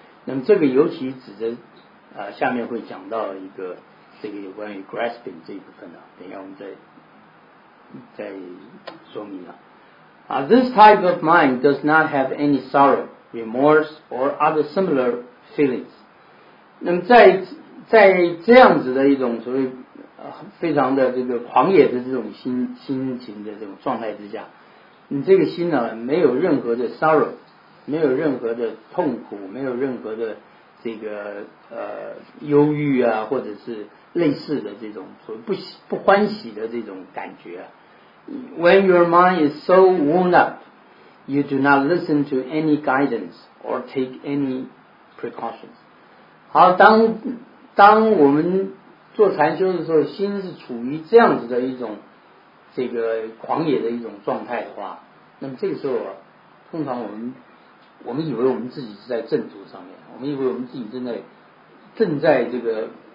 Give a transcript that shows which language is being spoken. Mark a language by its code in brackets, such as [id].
[zh] 那么这个尤其指的下面会讲到一个这个有关于 grasping 这一部分呢、等一下我们再说明了。 [en] This type of mind does not have any sorrow, remorse, or other similar feelings. [zh] 那么在这样子的一种所谓非常的这个狂野的这种心情的这种状态之下，你这个心呢没有任何的 sorrow， 没有任何的痛苦，没有任何的这个忧郁啊，或者是类似的这种所谓不欢喜的这种感觉啊。 [en] When your mind is so worn up, you do not listen to any guidance or take any precautions. [zh] 好，当我们做禅修的时候，心是处于这样子的一种这个狂野的一种状态的话，那么这个时候通常我们以为我们自己是在正途上面，我们以为我们自己正在这个